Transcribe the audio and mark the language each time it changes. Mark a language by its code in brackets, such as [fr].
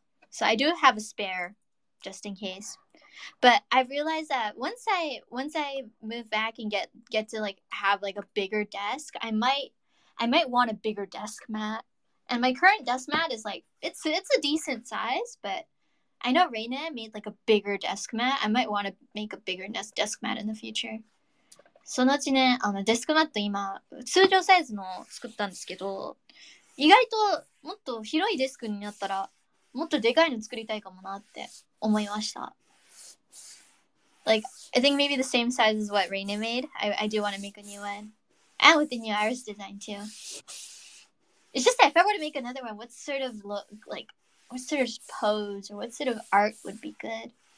[en] So I do have a spare, just in case. But I realized that once I move back and get to like have like a bigger desk, I might want a bigger desk mat. And my current desk mat is like, it's a decent size, but I know Reina made like a bigger desk mat. I might want to make a bigger desk mat in the future. [ja] そのうちね、あのデスクマット今、通常サイズの作ったんですけど、意外ともっと広いデスクになったら、もっとでかいの作りたいかもなって思いました。 [en] Like, I think maybe the same size as what Reina made. I do want to make a new one. And with the new Iris design too. It's just that if I were to make another one, what sort of look, like, what sort of pose or what sort of art would be good?